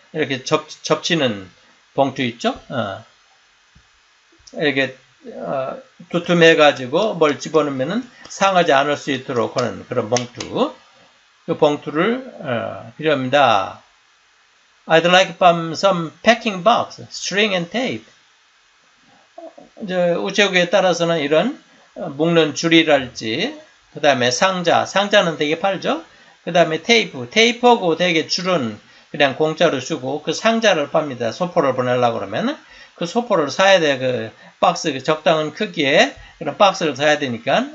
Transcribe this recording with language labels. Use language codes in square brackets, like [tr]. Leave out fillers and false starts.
[ko] 이렇게 접치는 봉투 있죠? 이렇게 두툼해가지고 뭘 집어넣으면 상하지 않을 수 있도록 하는 그런 봉투. 그 봉투를 필요합니다. [en] I'd like some packing box, string and tape. [ko] 이제 우체국에 따라서는 이런 묶는 줄이랄지, 그 다음에 상자, 상자는 되게 팔죠? 그 다음에 테이프, 테이프하고 되게 줄은 그냥 공짜로 주고, 그 상자를 팝니다. 소포를 보내려고 그러면. 그 소포를 사야 돼. 그 박스, 그 적당한 크기에 그런 박스를 사야 되니까.